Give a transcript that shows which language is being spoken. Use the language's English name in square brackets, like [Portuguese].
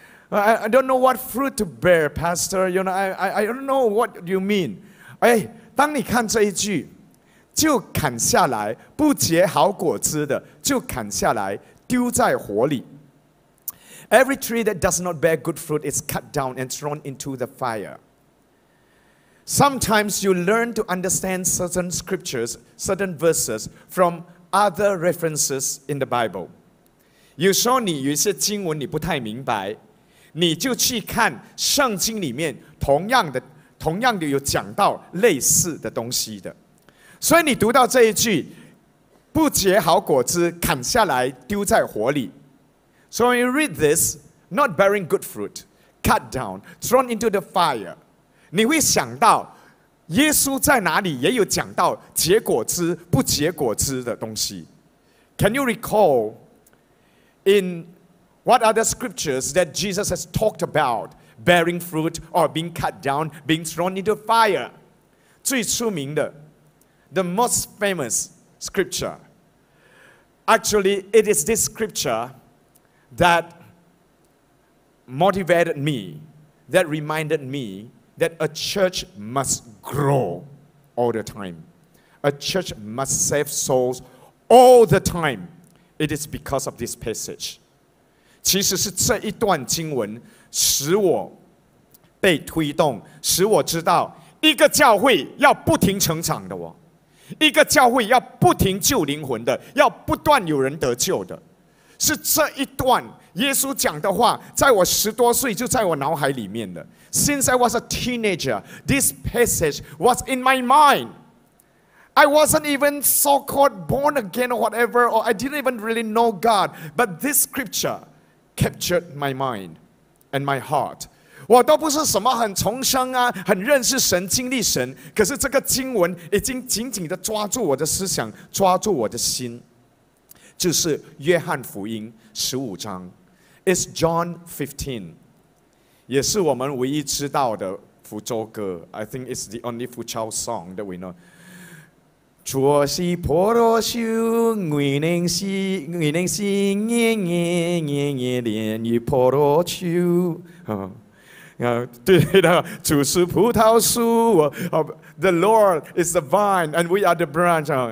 [English] I don't know what fruit to bear, Pastor. You know, I don't know what you mean. [Chinese] 哎，当你看这一句，就砍下来不结好果子的，就砍下来丢在火里。 [English] Every tree that does not bear good fruit is cut down and thrown into the fire. Sometimes you learn to understand certain scriptures, certain verses from other references in the Bible. [Chinese] 有时候你有一些经文你不太明白，你就去看圣经里面同样的有讲到类似的东西的。所以你读到这一句，不结好果子，砍下来丢在火里。 [English] So when you read this, not bearing good fruit, cut down, thrown into the fire. [Chinese] 你会想到耶稣在哪里也有讲到结果子不结果子的东西。 [English] Can you recall in what other scriptures that Jesus has talked about bearing fruit or being cut down, being thrown into fire? [Chinese] 最出名的 [English] The most famous scripture. Actually, it is this scripture that motivated me, that reminded meThat a church must grow all the time. A church must save souls all the time. It is because of this passage. [Chinese] 其实是这一段经文使我被推动，使我知道一个教会要不停成长的，一个教会要不停救灵魂的，要不断有人得救的。是这一段耶稣讲的话在我十多岁就在我脑海里面的。 [English] Since I was a teenager, this passage was in my mind. I wasn't even so-called born again or whatever, or I didn't even really know God. But this scripture captured my mind and my heart. [Chinese] 我都不是什么很重生啊，很认识神，经历神，可是这个经文已经紧紧地抓住我的思想，抓住我的心。就是约翰福音十五章。 [English] It's John 15. [Chinese] 也是我们唯一知道的福州歌 [English] I think it's the only 福州 song that we know. [Chinese] 主是葡萄树，我宁是年年年年年与葡萄树。对的，主是葡萄树。 [English] The Lord is the vine, and we are the branch.